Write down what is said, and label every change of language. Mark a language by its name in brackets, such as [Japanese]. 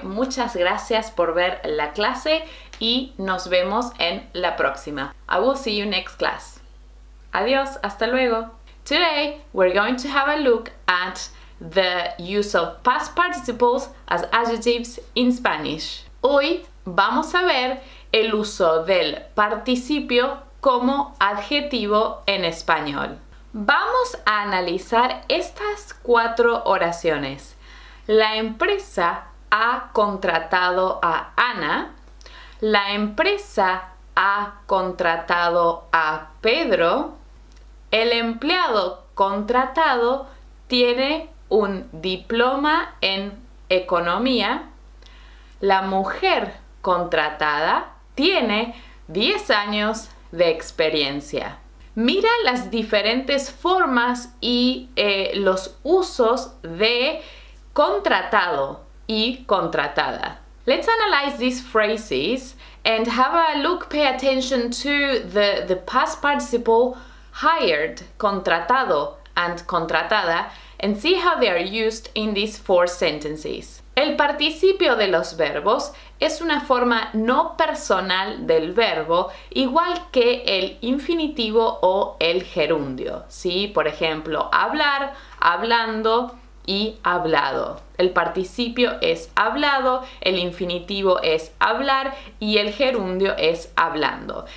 [Spanish] Muchas gracias por ver la clase y nos vemos en la próxima. [English] I will see you next class. [Spanish] Adiós, hasta luego. [English] Today, we're going to have a look at the use of past participles as adjectives in Spanish. [Spanish] Hoy vamos a ver el uso del participio como adjetivo en español. Vamos a analizar estas cuatro oraciones. La empresa ha contratado a Ana. La empresa ha contratado a Pedro. El empleado contratado tiene un diploma en economía. La mujer contratada tiene 10 años de experiencia. Mira las diferentes formas y los usos de contratado y contratada. [English] Let's analyze these phrases and have a look, pay attention to the past participle hired, contratado and contratada, and see how they are used in these four sentences. [Spanish] El participio de los verbos es una forma no personal del verbo, igual que el infinitivo o el gerundio. ¿Sí? Por ejemplo, hablar, hablando y hablado. El participio es hablado, el infinitivo es hablar y el gerundio es hablando.